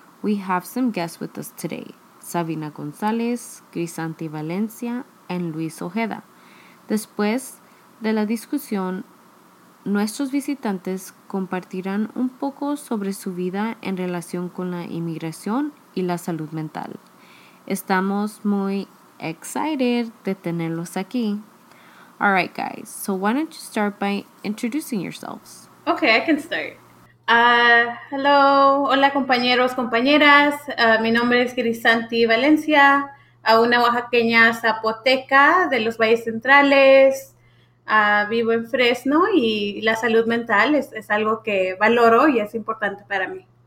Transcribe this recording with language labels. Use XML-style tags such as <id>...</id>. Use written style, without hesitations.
<en>We have some guests with us today. Sabina González, Grisanti Valencia, and Luis Ojeda.</en> <es>Después de la discusión, nuestros visitantes compartirán un poco sobre su vida en relación con la inmigración y la salud mental. Estamos muy excited de tenerlos aquí.</es> <en>All right, guys, so why don't you start by introducing yourselves? Okay, I can start. Hello,</en> <es>hola compañeros, compañeras. Mi nombre es Grisanti Valencia, una oaxaqueña zapoteca de los Valles Centrales. Vivo en Fresno y la salud mental es algo que valoro y es importante para mí.</es>